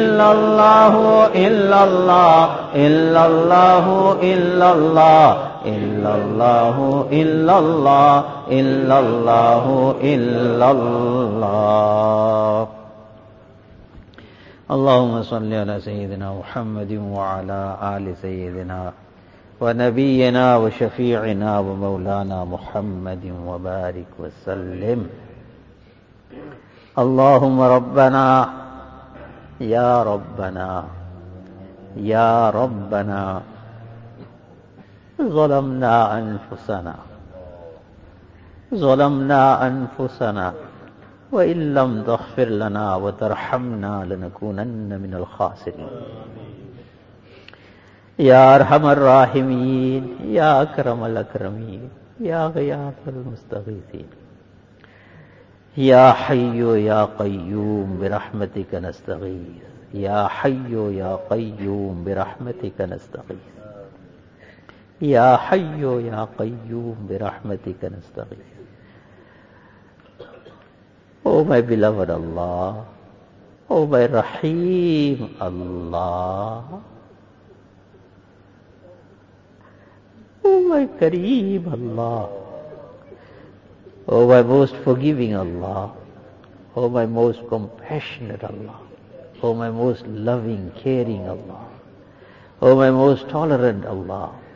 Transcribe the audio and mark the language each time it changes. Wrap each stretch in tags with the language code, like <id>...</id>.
<ar>اللہ الا اللہ الا اللہ الا اللہ الا اللہ الا اللہ الا اللہ الا اللہ الا اللہ اللهم صل على سيدنا محمد وعلى آل سيدنا ونبينا وشفيعنا ومولانا محمد وبارك وسلم. اللهم ربنا يا ربنا يا ربنا ظلمنا أنفسنا ظلمنا أنفسنا وإن لم تغفر لنا وترحمنا لنكونن من الخاسرين. يا أرحم الراحمين يا أكرم الأكرمين يا غياث المستغيثين يا حي يا قيوم برحمتك نستغيث يا حي يا قيوم برحمتك نستغيث يا حي يا قيوم برحمتك نستغيث.</ar> <en>O my beloved Allah, O my Rahim Allah, O my Kareem Allah, O my most forgiving Allah, O my most compassionate Allah, O my most loving, caring Allah, O my most tolerant Allah,</en>